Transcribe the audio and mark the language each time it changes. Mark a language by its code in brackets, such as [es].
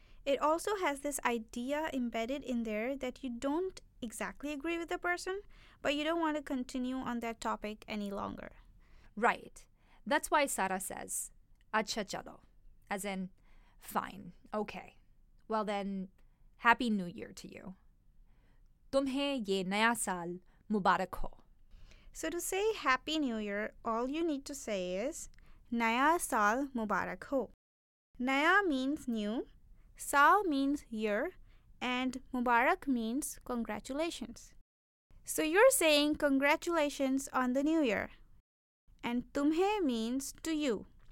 [en] It also has this idea embedded in there that you don't exactly agree with the person, but you don't want to continue on that topic any longer. Right. That's why Sara says, [ur] "Acha chalo," [en] as in, fine, okay. Well then, Happy New Year to you. [ur] تمہیں یہ نیا سال مبارک ہو۔ [en] So to say Happy New Year, all you need to say is, [ur] naya saal mubarak ho. [en] Naya means new, saal means year, and mubarak means congratulations. So you're saying congratulations on the new year. And tumhe means to you.